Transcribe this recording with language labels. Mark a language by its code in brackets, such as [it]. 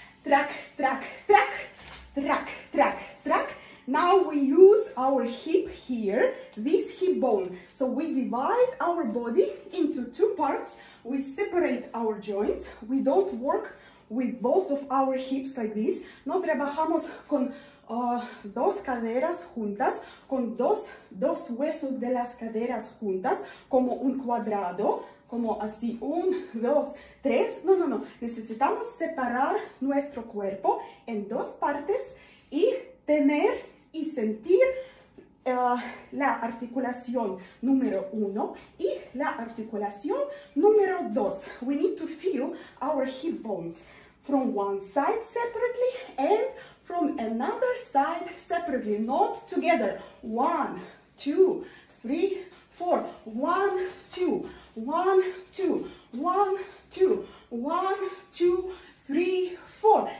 [en] Track, track, track, track, track, track. Now we use our hip here, this hip bone. So we divide our body into two parts. We separate our joints. We don't work with both of our hips like this. [es] No trabajamos con dos caderas juntas, con dos huesos de las caderas juntas, como un cuadrado, como así, un, dos, tres. No, no, no. Necesitamos separar nuestro cuerpo en dos partes y tener y sentir la articulación número uno y la articulación número dos. [en] We need to feel our hip bones from one side separately and from another side separately, not together. One, two, three, four. One, two, one, two, one, two, one, two, three, four.